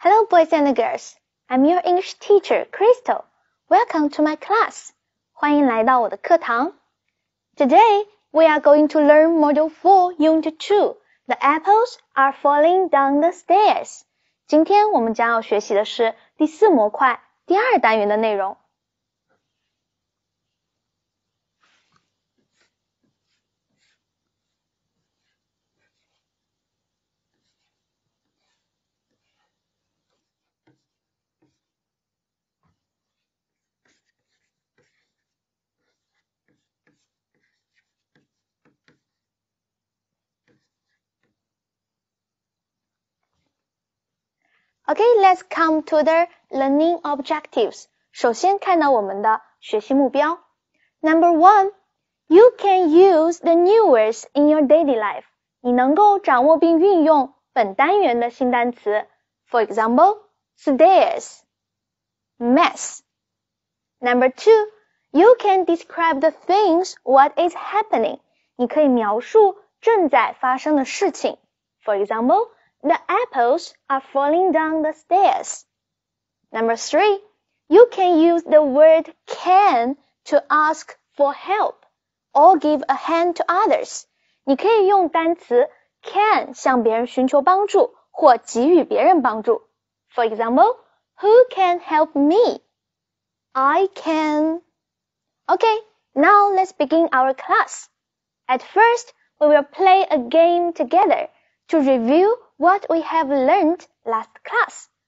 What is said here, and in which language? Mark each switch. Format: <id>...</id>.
<en>boys and girls, I'm your English teacher, Crystal. Welcome to my class.</en> <zh>欢迎来到我的课堂。</zh> <en>Today, we are going to learn Module 4, Unit 2, The Apples Are Falling Down the Stairs.</en> <zh>今天我们将要学习的是第四模块第二单元的内容。</zh> <en>Okay, let's come to the learning objectives.</en> <zh>首先看到我们的学习目标。</zh> <en>Number one, you can use the new words in your daily life.</en> <zh>你能够掌握并运用本单元的新单词。</zh> <en>For example, stairs, mess. Number two, you can describe the things what is happening.</en> <zh>你可以描述正在发生的事情。</zh> <en>For example,The apples are falling down the stairs. Number three, you can use the word can to ask for help or give a hand to others.</en> <zh>你可以用单词 can 向别人寻求帮助或给予别人帮助。</zh> <en>For example, who can help me? I can. Okay, now let's begin our class. At first, we will play a game together to reviewWhat we have learned last class.</en>